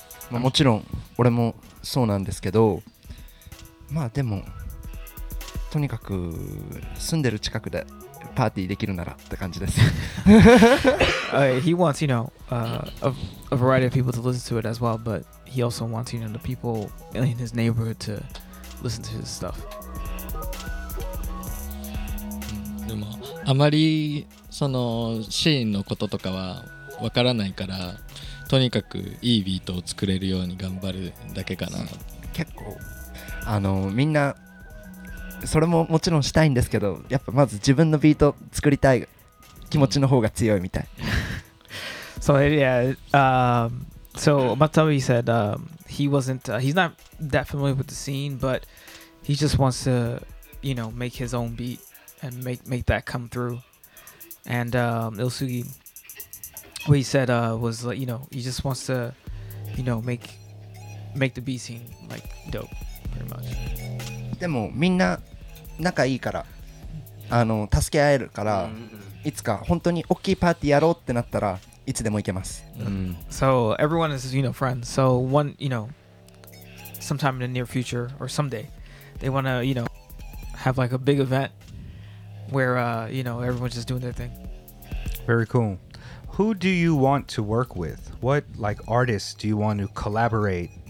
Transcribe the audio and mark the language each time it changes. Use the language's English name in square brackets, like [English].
[Japanese] まあもちろん俺もそうなんですけど、まあでもとにかく住んでる近くで。 Party できるならって感じです。 [English] He wants, you know, a variety of people to listen to it as well, but he also wants, you know, the people in his neighborhood to listen to his stuff. [Japanese] でもあまりそのシーンのこととかはわからないから、とにかくいいビートを作れるように頑張るだけかな。結構あのみんな。それももちろんしたいんですけど、やっぱまず自分のビート作りたい気持ちの方が強いみたい。 [English] So yeah, so Matsui said he wasn't, he's not that familiar with the scene, but he just wants to, you know, make his own beat and make that come through. And Ilsugi, what he said was, you know, he just wants to, you know, make the beat scene like dope, pretty much. [Japanese] でもみんな仲いいからあの助け合えるから、mm-hmm. いつか本当に大きいパーティーやろうってなったらいつでも行けます。 [English] Mm-hmm. So everyone is, you know, friends. So one, you know, sometime in the near future or someday, they want to, you know, have like a big event where, you know, everyone's just doing their thing. Very cool. Who do you want to work with? What like artists do you want to collaborate?